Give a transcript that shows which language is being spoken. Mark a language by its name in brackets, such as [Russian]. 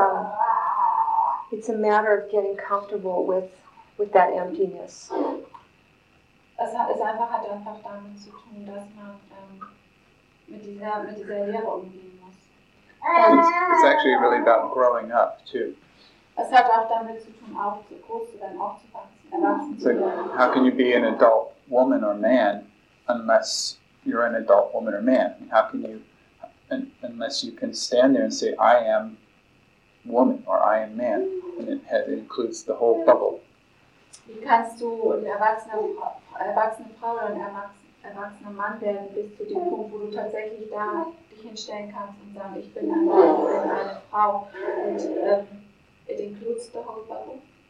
[English] Yeah. So it's a matter of getting comfortable with that emptiness. [German] Es ist einfach hat einfach damit zu tun, dass man mit dieser Leere umgehen muss. [English] It's actually really about growing up too. [German] Es hat auch damit zu tun, groß zu werden, aufzuwachsen. [English] So how can you be an adult woman or man unless you're an adult woman or man? How can you, unless you can stand there and say, I am woman or I am man, and it includes the whole bubble. [German] Wie kannst du ein erwachsener Frau oder ein erwachsener Mann werden bis zu dem Punkt, wo du tatsächlich da dich hinstellen kannst und sagen, ich bin ein Mann oder eine Frau, und [English] it includes the whole bubble?